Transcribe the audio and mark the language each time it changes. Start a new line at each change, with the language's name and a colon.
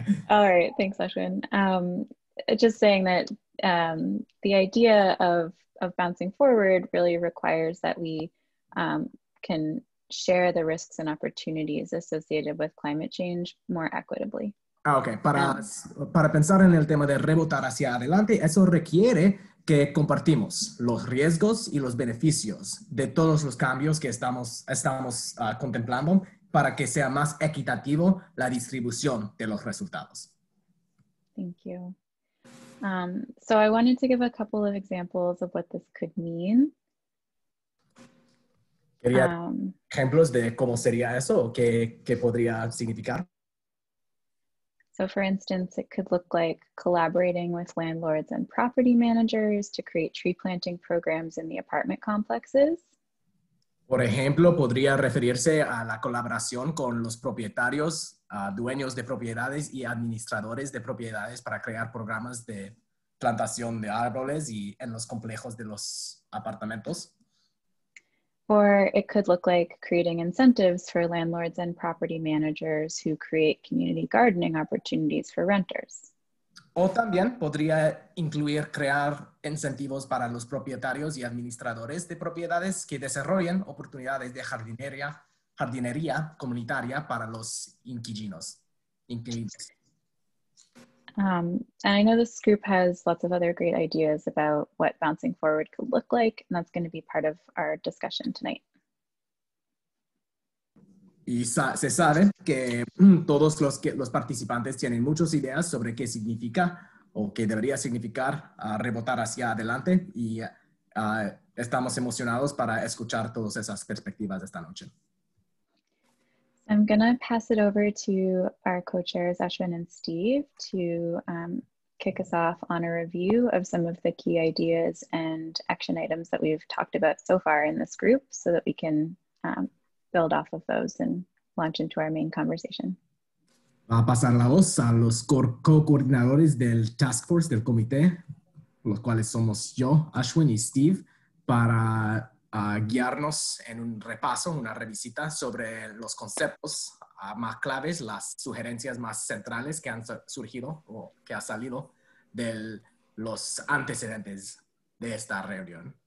English: All right, thanks, Ashwin. Just saying that the idea of bouncing forward really requires that we can share the risks and opportunities associated with climate change more equitably. Ah, okay.
Spanish: Para pensar en el tema de rebotar hacia adelante, eso requiere que compartimos los riesgos y los beneficios de todos los cambios que estamos contemplando para que sea más equitativo la distribución de los resultados.
English: Thank you. So I wanted to give a couple of examples of what this could mean.
Spanish: ¿Quería ejemplos de cómo sería eso o qué podría significar?
English: So for instance, it could look like collaborating with landlords and property managers to create tree planting programs in the apartment complexes.
Spanish: Por ejemplo, podría referirse a la colaboración con los propietarios, dueños de propiedades y administradores de propiedades para crear programas de plantación de árboles y en los complejos de los apartamentos.
English: Or it could look like creating incentives for landlords and property managers who create community gardening opportunities for renters.
Spanish: O también podría incluir crear incentivos para los propietarios y administradores de propiedades que desarrollen oportunidades de jardinería comunitaria para los inquilinos.
English: And I know this group has lots of other great ideas about what bouncing forward could look like, and that's going to be part of our discussion tonight.
Spanish: Y se sabe que todos los participantes tienen muchas ideas sobre qué significa o qué debería significar rebotar hacia adelante, y estamos emocionados para escuchar todas esas perspectivas esta noche.
English: I'm going to pass it over to our co-chairs, Ashwin and Steve, to kick us off on a review of some of the key ideas and action items that we've talked about so far in this group so that we can build off of those and launch into our main conversation.
Spanish: Va a pasar la voz a los co-coordinadores del task force del comité, los cuales somos yo, Ashwin y Steve, para a guiarnos en un repaso, una revisita sobre los conceptos más claves, las sugerencias más centrales que han surgido o que ha salido de los antecedentes de esta reunión.